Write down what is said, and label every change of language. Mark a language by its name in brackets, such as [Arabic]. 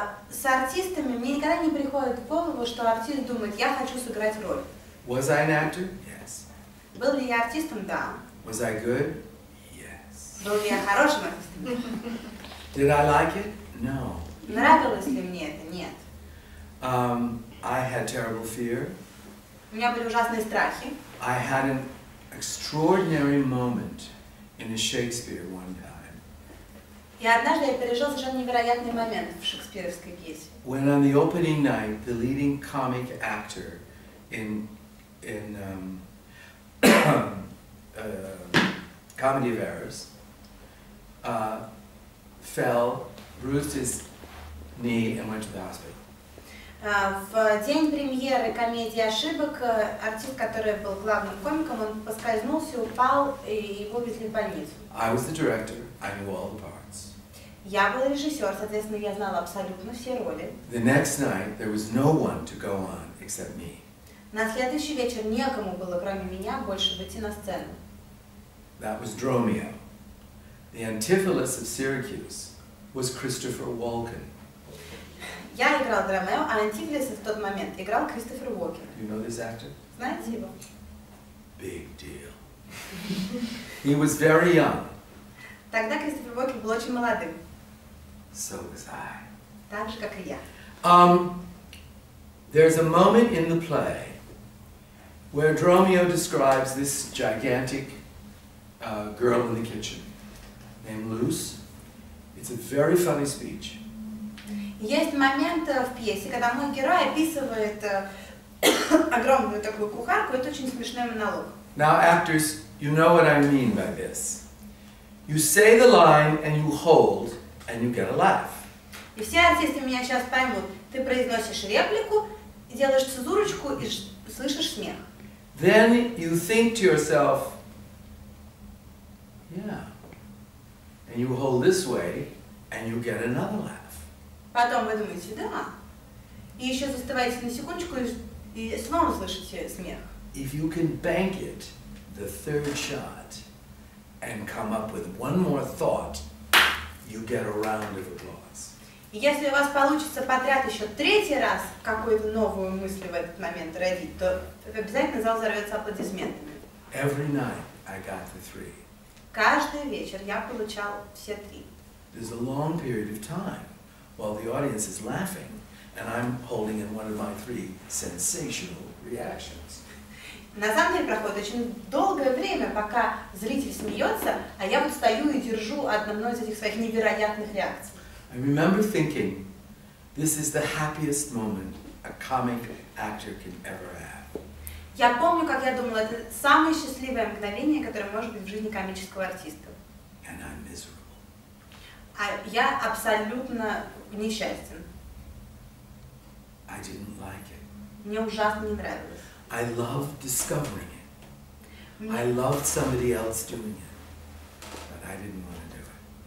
[Russian] С артистами мне никогда не приходит в голову, что артист думает, я хочу сыграть роль. [English] Was I an actor? Yes. [Russian] Был ли я артистом? Да. [English] Was I good? [Russian] Был ли я хорошим артистом? [English] Did I like it? No. [Russian] Нравилось ли мне это? Нет. [English] I had terrible fear. [Russian] У меня были ужасные страхи. [English] I had an extraordinary moment in a Shakespeare one time. [Russian] И однажды я пережил совершенно невероятный момент в шекспировской пьесе. [English] When on the opening night, the leading comic actor in Comedy of Errors fell, bruised his knee, and went to the hospital. [Russian] В день премьеры комедии «Ошибок» артист, который был главным комиком, он поскользнулся, упал и вывезли в больницу. [English] I was the director. I knew all the parts. [Russian] Я был режиссер, соответственно, я знала абсолютно все роли. [English] The next night there was no one to go on except me. [Russian] На следующий вечер некому было, кроме меня, больше выйти на сцену. [English] That was Dromio. The Antipholus of Syracuse was Christopher Walken. [Russian] Я играл Дромео, а Антипилес в тот момент играл Кристофер Уокен. [English] You know this actor? [Russian] Знаете его? [English] Big deal. He was very young. [Russian] Тогда Кристофер Уокен был очень молодым. [English] So was I. [Russian] Так же, как и я. [English] There's a moment in the play where Dromio describes this gigantic girl in the kitchen. Named Luce. It's a very funny speech. [Russian] Есть момент в пьесе, когда мой герой описывает огромную такую кухарку, это очень смешной монолог. [English] Now actors, you know what I mean by this. You say the line and you hold and you get a laugh. [Russian] И все артисты меня сейчас поймут. Ты произносишь реплику, делаешь цезурочку и слышишь смех. [English] Then you think to yourself, yeah. And you hold this way, and you get another laugh. [Russian] Потом вы думаете, да. И еще застываете на секундочку, и снова слышите смех. [English] If you can bank it, the third shot, and come up with one more thought, you get a round of applause. [Russian] Если у вас получится подряд еще третий раз какую-то новую мысль в этот момент родить, то обязательно зал взорвется аплодисментами. [English] Every night I got the three. [Russian] Каждый вечер я получал все три. [English] There's a long period of time while the audience is laughing and I'm holding in one of my three sensational reactions. [Russian] На самом деле проходит очень долгое время, пока зритель смеется, а я вот стою и держу одну из этих своих невероятных реакций. [English] I remember thinking, this is the happiest moment a comic actor can ever have. [Russian] Я помню, как я думала, это самое счастливое мгновение, которое может быть в жизни комического артиста. [English] And I'm miserable. [Russian] А я абсолютно несчастен. [English] I didn't like it. [Russian] Мне ужасно не нравилось. [English] I love discovering it. I loved somebody else doing it, but I didn't want to do it.